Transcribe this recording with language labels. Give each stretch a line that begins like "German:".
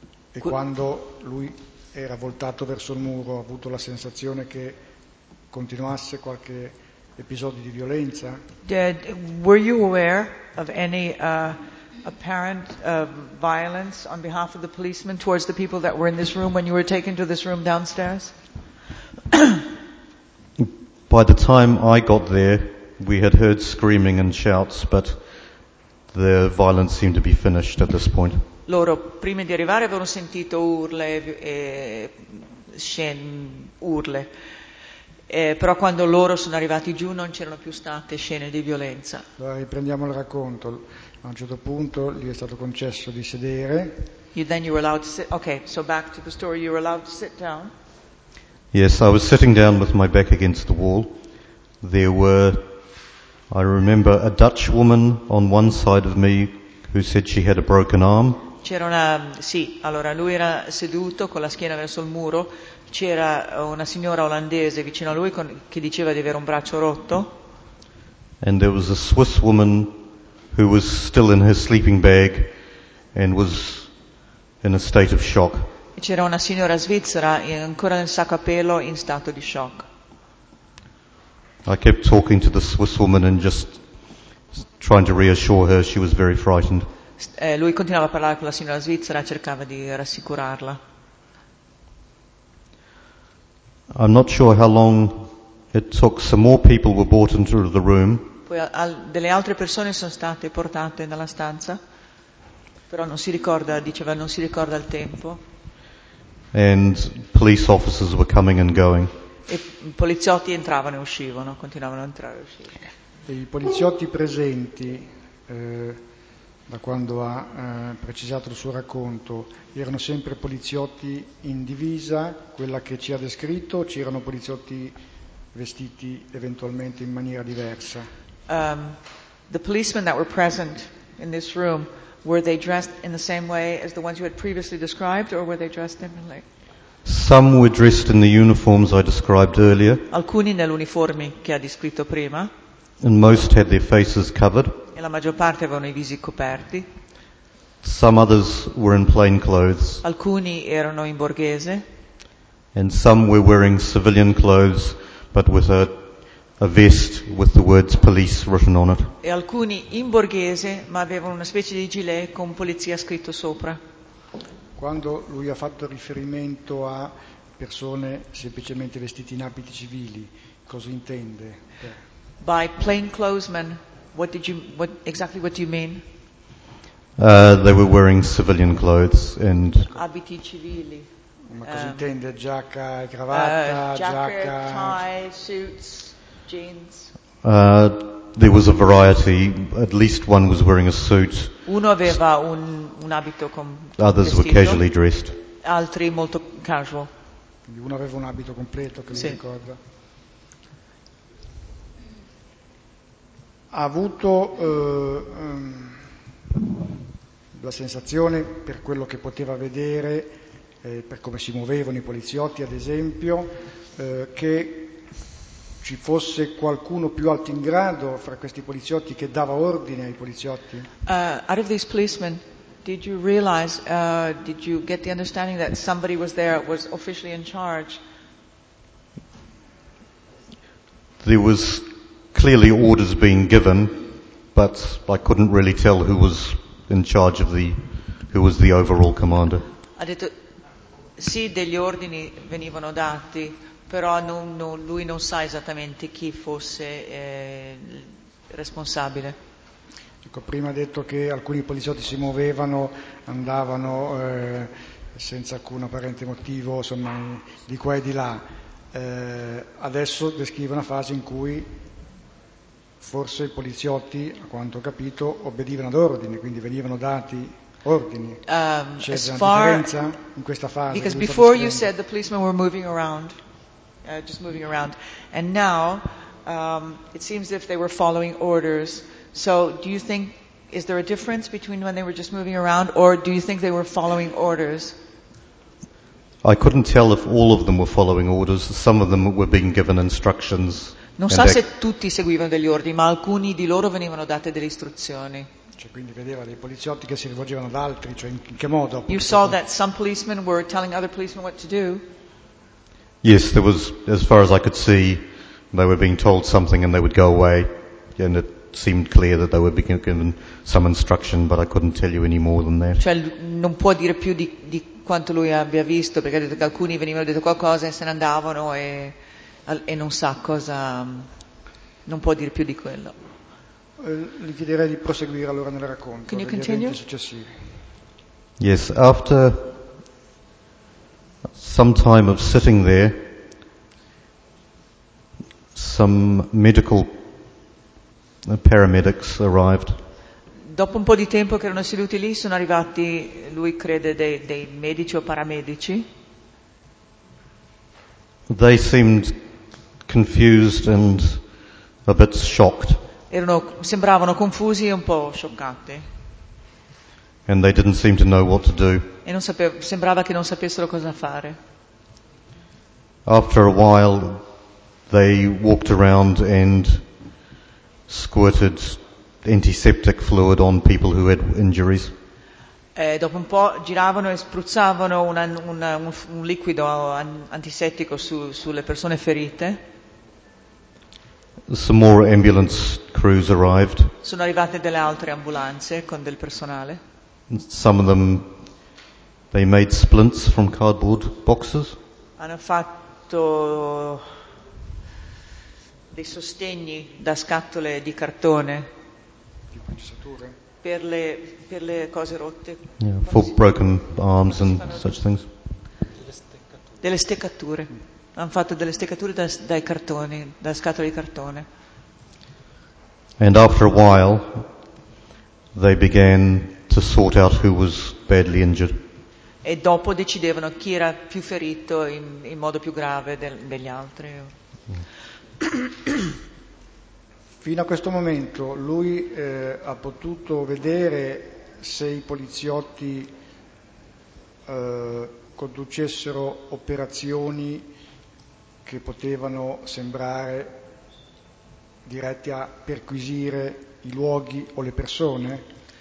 Italian: E quando lui era voltato verso il muro, ha avuto la sensazione che continuasse qualche episodio di violenza?
English: Were you aware of any apparent violence on behalf of the policemen towards the people that were in this room when you were taken to this room downstairs? By the time I got there, we had heard screaming and shouts, but the violence seemed to be finished at this point.
Italian: Loro, prima di arrivare, avevano sentito urle e scene urle. Però quando loro sono arrivati giù non c'erano più state scene di violenza. Allora riprendiamo il racconto. A un certo punto gli è stato concesso di sedere.
English: You were allowed to sit. Okay, so back to the story. You were allowed to sit down. Yes, I was sitting down with my back against the wall. There were, I remember, a Dutch woman on one side of me who said she had a broken arm.
Italian: C'era una, sì, allora lui era seduto con la schiena verso il muro. c'era una signora olandese vicino a lui con, che diceva di avere un braccio rotto.
English: And there was a Swiss woman who was still in her sleeping bag and was in a state of shock.
Italian: E c'era una signora svizzera ancora nel sacco a pelo in stato di shock.
English: I kept talking to the Swiss woman and just trying to reassure her, she was very frightened.
Italian: Lui continuava a parlare con la signora svizzera, cercava di rassicurarla.
English: I'm not sure how long it took, some more people were brought into the room.
Italian: Poi delle altre persone sono state portate nella stanza, però non si ricorda, diceva, non si ricorda il tempo.
English: And police officers were coming and going.
Italian: E i poliziotti entravano e uscivano, continuavano a entrare e uscire. E i poliziotti presenti, da quando ha precisato il suo racconto, erano sempre poliziotti in divisa, quella che ci ha descritto, o c'erano poliziotti vestiti eventualmente in maniera diversa?
English: The policemen that were present in this room, were they dressed in the same way as the ones you had previously described, or were they dressed differently? Some were dressed in the uniforms I described earlier.
Italian: Alcuni nell'uniforme che ha descritto prima.
English: And most had their faces covered.
Italian: E la maggior parte avevano i visi coperti.
English: Some others were in plain clothes.
Italian: Alcuni erano in borghese.
English: And some were wearing civilian clothes, but with a vest with the words police written on it.
Italian: E alcuni in borghese, ma avevano una specie di gilet con polizia scritto sopra. Quando lui ha fatto riferimento a persone semplicemente vestite in abiti civili, cosa intende?
English: By plain clothes men, what exactly do you mean? They were wearing civilian clothes and
Italian: abiti civili. Ma cosa intende? Giacca, cravatta, giacca,
English: tie, suits, jeans. There was a variety. At least one was wearing a suit.
Italian: Uno aveva un abito con vestito.
English: Others were casually dressed.
Italian: Altri molto casual. Uno aveva un abito completo, che sì. Mi ricordo. Ha avuto la sensazione, per quello che poteva vedere, per come si muovevano i poliziotti, ad esempio, che ci fosse qualcuno più alto in grado fra questi poliziotti che dava ordine ai poliziotti?
English: Out of these policemen, did you realize, did you get the understanding that somebody was there, was officially in charge? There was clearly orders being given, but I couldn't really tell who was in charge of the, who was the overall commander.
Italian: Ha detto, sì, degli ordini venivano dati, però lui non sa esattamente chi fosse responsabile. Ecco, prima ha detto che alcuni poliziotti si muovevano, andavano senza alcun apparente motivo, insomma, di qua e di là. Adesso descrive una fase in cui forse i poliziotti, a quanto ho capito, obbedivano ad ordini, quindi venivano dati ordini. C'è una differenza in questa fase?
English: Because before you said the policemen were moving around, just moving around, and now it seems as if they were following orders. So do you think, is there a difference between when they were just moving around, or do you think they were following orders? I couldn't tell if all of them were following orders. Some of them were being given instructions.
Italian: Non sa se tutti seguivano degli ordini, ma alcuni di loro venivano date delle istruzioni. Cioè, quindi vedeva dei poliziotti che si rivolgevano ad altri, cioè in che modo?
English: You saw that some policemen were telling other policemen what to do. Yes, there was, as far as I could see, they were being told something and they would go away, and it seemed clear that they were being given some instruction, but I couldn't tell you any more than that.
Italian: Cioè, non può dire più di quanto lui abbia visto, perché ha detto che alcuni venivano detto qualcosa e se ne andavano e non sa cosa, non può dire più di quello. Gli chiederei di proseguire allora nel racconto.
English: Can you continue?
Italian: Successivi.
English: Yes, after some time of sitting there, some medical paramedics arrived.
Italian: Dopo un po' di tempo che erano seduti lì, sono arrivati, lui crede, dei medici o paramedici.
English: They seemed confused and a bit shocked.
Italian: Sembravano confusi e un po' scioccati.
English: And they didn't seem to know what to do.
Italian: E non sembrava che non sapessero cosa fare.
English: After a while, they walked around and squirted antiseptic fluid on people who had injuries.
Italian: Dopo un po' giravano e spruzzavano un liquido antisettico sulle persone ferite.
English: Some more ambulance crews arrived.
Italian: Sono arrivate delle altre ambulanze con del personale.
English: Some of them, they made splints from cardboard boxes.
Italian: Hanno fatto dei sostegni da scatole di cartone. Per le cose rotte.
English: Yeah, for broken arms and such things.
Italian: Delle steccature. Hanno fatto delle steccature dai cartoni, da scatole di cartone.
English: And after a while, they began to sort out who was badly injured.
Italian: E dopo decidevano chi era più ferito in modo più grave degli altri. Fino a questo momento lui ha potuto vedere se i poliziotti conducessero operazioni che potevano sembrare dirette a perquisire i luoghi o le persone?